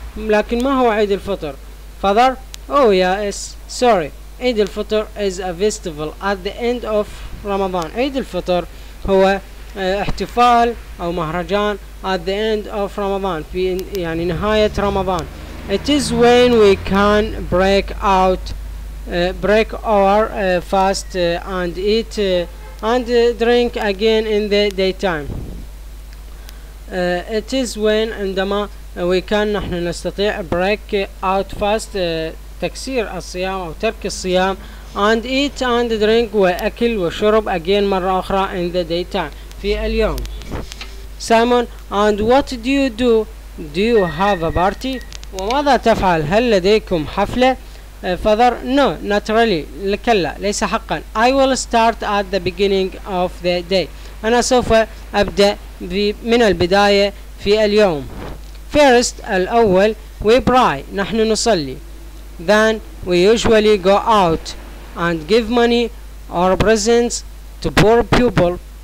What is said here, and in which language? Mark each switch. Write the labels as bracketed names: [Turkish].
[Arabic] لكن ما هو عيد الفطر؟ [English] Father, oh yes, sorry. عيد الفطر is a festival at the end of Ramadan. [Arabic] عيد الفطر هو احتفال أو مهرجان [English] at the end of Ramadan [Arabic] في يعني نهاية رمضان. [English] It is when we can break out, break our fast and eat and drink again in the daytime. It is when [Arabic] عندما [English] we can [Arabic] نحن نستطيع [English] break out fast [Arabic] تكسير الصيام أو ترك الصيام [English] and eat and drink [Arabic] وأكل وشرب [English] again [Arabic] مرة أخرى [English] in the daytime [Arabic] في اليوم. [English] Simon, and what do you do? Do you have a party? [Arabic] وماذا تفعل؟ هل لديكم حفلة؟ [English] Father, no, not really. [Arabic] كلا ليس حقا. [English] I will start at the beginning of the day. [Arabic] أنا سوف أبدأ من البداية في اليوم. [English] First, [Arabic] الأول, [English] we pray. [Arabic] نحن نصلي. [English] Then, we usually go out and give money or presents to poor people.